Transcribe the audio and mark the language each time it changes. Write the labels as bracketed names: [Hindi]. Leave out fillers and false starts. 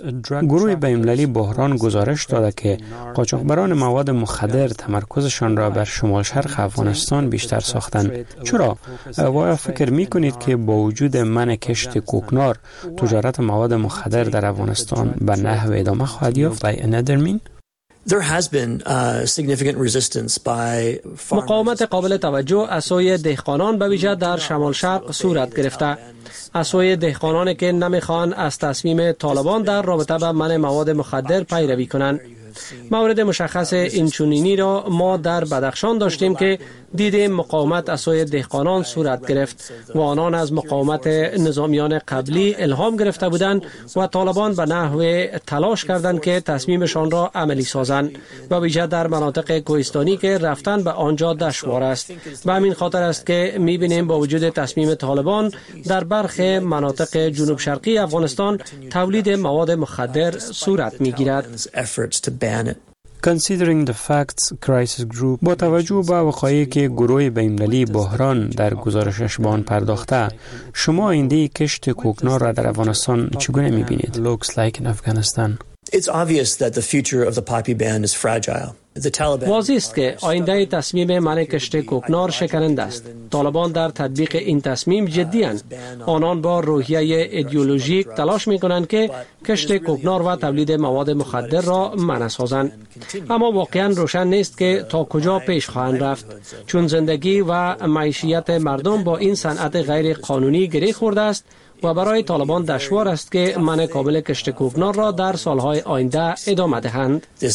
[Persian] گروه بین‌المللی بحران گزارش داده که قاچاقبران مواد مخدر تمرکزشان را بر شمال شرق افغانستان بیشتر ساختند. چرا؟ و آیا فکر می‌کنید که با وجود منع کشت کوکنار تجارت مواد مخدر در افغانستان به نحو ادامه خواهد یافت؟ [English] There has been significant resistance by farmers. [Persian] مقاومت قابل توجه از سوی دهقانان به ویژه در شمال شرق صورت گرفته. از سوی دهقانانی که نمی‌خوان از تصمیم طالبان در رابطه با منع مواد مخدر پیروی کنند. مورد مشخص اینچنینی را ما در بدخشان داشتیم که دیدیم مقاومت از سوی دهقانان صورت گرفت و آنان از مقاومت نظامیان قبلی الهام گرفته بودند و طالبان به نحوه تلاش کردند که تصمیمشان را عملی سازند و ویژه در مناطق کوهستانی که رفتن به آنجا دشوار است. و همین خاطر است که می‌بینیم با وجود تصمیم طالبان در برخی مناطق جنوب شرقی افغانستان تولید مواد مخدر صورت می‌گیرد. [English] Considering the facts, crisis group. [Persian] با توجه به وقایعی که گروه بین‌المللی بحران در گزارشش به آن پرداخته، شما آینده کشت کوکنار را در افغانستان چگونه می‌بینید؟ [English] Looks like in Afghanistan. It's obvious that the future of the poppy ban is fragile. [Persian] واضح است که آینده تصمیم منع کشت کوکنار شکننده است. طالبان در تطبیق این تصمیم جدی اند. آنان با روحیه ایدئولوژیک تلاش می کنند که کشت کوکنار و تولید مواد مخدر را منع سازند. اما واقعا روشن نیست که تا کجا پیش خواهند رفت، چون زندگی و معیشت مردم با این صنعت غیر قانونی گره خورده است و برای طالبان دشوار است که منع کامل کشت کوکنار را در سالهای آینده ادامه دهند.